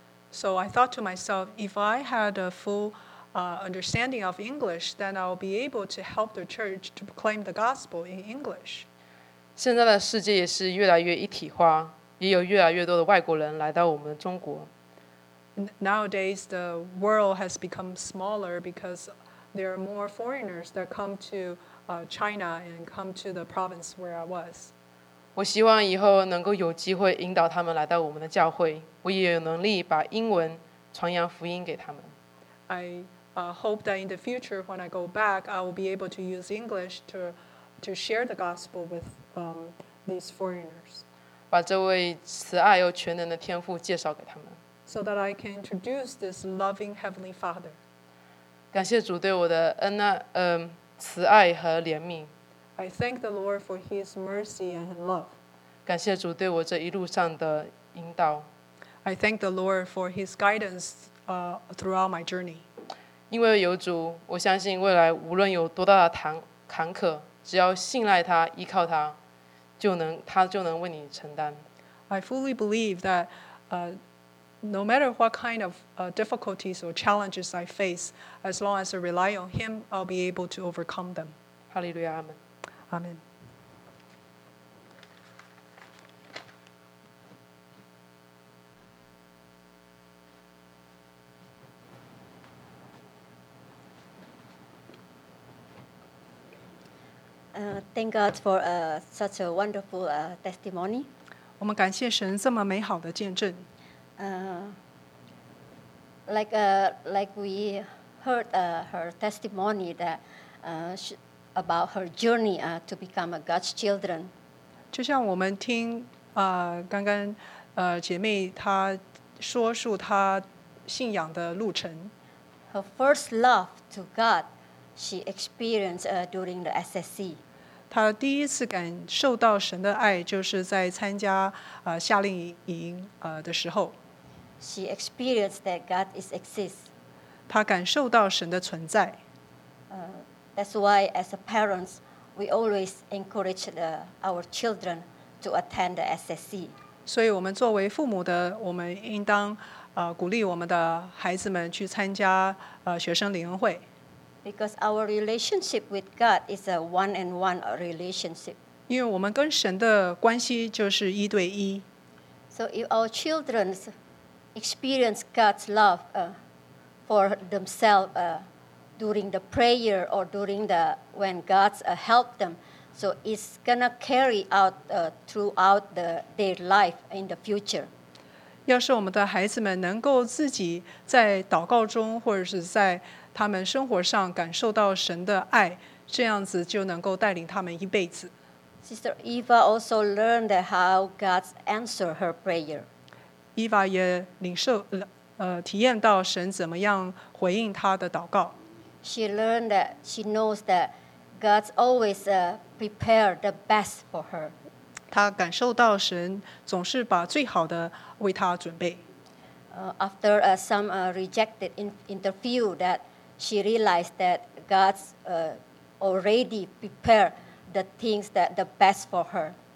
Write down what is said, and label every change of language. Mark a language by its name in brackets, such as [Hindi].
[English] So I thought to myself, if I had a full understanding of English, then I'll be able to help the church to proclaim the gospel in English. [Chinese] 现在的世界也是越来越一体化，也有越来越多的外国人来到我们中国。 [English] Nowadays, the world has become smaller because there are more foreigners that come to China and come to the province where I was. [Chinese] 我希望以后能够有机会引导他们来到我们的教会，我也有能力把英文传扬福音给他们。 [English] I hope that in the future when I go back, I will be able to use English to share the gospel with these foreigners. [Chinese] 把这位慈爱又全能的天父介绍给他们。 [English] So that I can introduce this loving Heavenly Father. [Chinese] 感谢主对我的恩爱，慈爱和怜悯。 [English] I thank the Lord for His mercy and love. [Chinese] 感谢主对我这一路上的引导。 [English] I thank the Lord for His guidance throughout my journey. [Chinese] 因为有主，我相信未来无论有多大的坎坷，只要信赖他、依靠他，他就能为你承担。 [English] I fully believe that no matter what kind of difficulties or challenges I face, as long as I rely on Him, I'll be able to overcome them. Hallelujah. Amen. Amen. Thank God for such a wonderful testimony. [Chinese] 我们感谢神这么美好的见证。 [English] Like we heard her testimony that about her journey to become a God's children. [Chinese] 就像我们听刚刚姐妹她说述她信仰的路程。 [English] Her first love to God she experienced during the SSC. [Chinese] 她第一次感受到神的爱就是在参加夏令营的时候。 [English] She experienced that God exists. [Chinese] 她感受到神的存在。 [English] That's why, as parents, we always encourage our children to attend the SSC. [Chinese] 所以我们作为父母的，我们应当鼓励我们的孩子们去参加学生灵恩会。 [English] Because our relationship with God is a one-on-one relationship. [Chinese] 因为我们跟神的关系就是一对一。 [English] So if our children experience God's love for themselves. During the prayer or during the when God's help them, so it's gonna carry out throughout their life in the future. [Chinese] 要是我们的孩子们能够自己在祷告中或者是在他们生活上感受到神的爱，这样子就能够带领他们一辈子。 [English] Sister Eva also learned how God answered her prayer. [Chinese] Eva 也领受体验到神怎么样回应她的祷告。 [English] She learned that she knows that God's always prepared the best for her. [Chinese] 她感受到神总是把最好的为她准备。 [English] After some rejected interview that she realized that God's already prepared the things that the best for her.